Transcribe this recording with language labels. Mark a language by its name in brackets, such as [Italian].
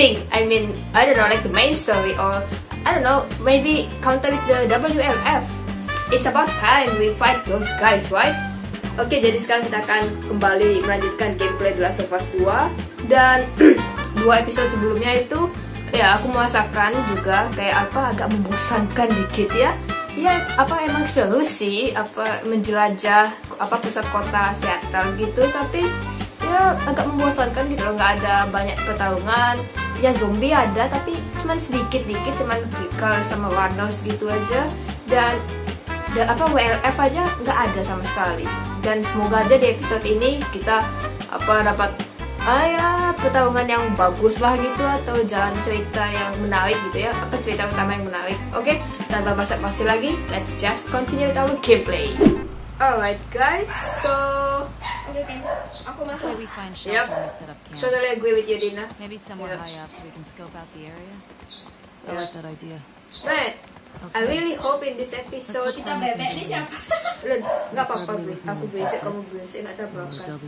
[English] I mean, I don't know, like the main story, or I don't know, maybe counter with the WLF. It's about time we fight those guys, right? [Indonesian] Okay, jadi sekarang kita akan kembali melanjutkan gameplay The Last of Us 2. Dan dua episode sebelumnya itu, ya aku merasakan juga kayak apa, agak membosankan dikit ya. Ya, apa emang seru sih apa menjelajah apa pusat kota Seattle gitu, tapi ya agak membosankan gitu loh, nggak ada banyak pertarungan. Ya zombie ada tapi cuman sedikit-dikit, cuman Flicker sama Warnos gitu aja, dan apa WLF aja nggak ada sama sekali. Dan semoga aja di episode ini kita apa dapat pertarungan yang bagus lah gitu, atau jalan cerita yang menarik gitu ya, apa cerita utama yang menarik. Oke, tanpa basa-basi lagi, [English] let's just continue with our gameplay. Alright guys, so okay. [Indonesian] Aku masuk. [English] Yep. Totally agree with you, Dina. Maybe somewhere high up so we can scope out the area. Yeah. I like that idea. But okay. I really hope in this episode [Indonesian] kita bebek ini siapa? Lo nggak apa-apa gue, aku berisik, kamu berisik, nggak tahu apa.